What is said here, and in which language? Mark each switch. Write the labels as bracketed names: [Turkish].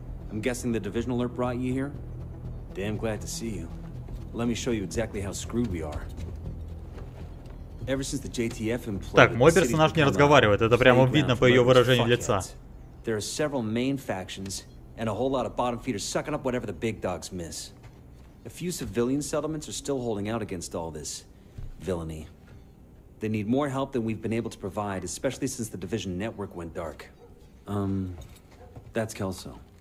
[English] I'm guessing the division alert brought you here? Damn glad to see you. Let me show you exactly how screwed we are. Ever since the JTF imploded... [Russian] Так, мой персонаж не разговаривает. Это прямо видно по ее выражению лица. [English] There are several main factions, and a whole lot of bottom feeders sucking up whatever the big dogs miss. A few civilian settlements are still holding out against all this villainy. They need more help than we've been able to provide, especially since the division network went dark. That's Kelso.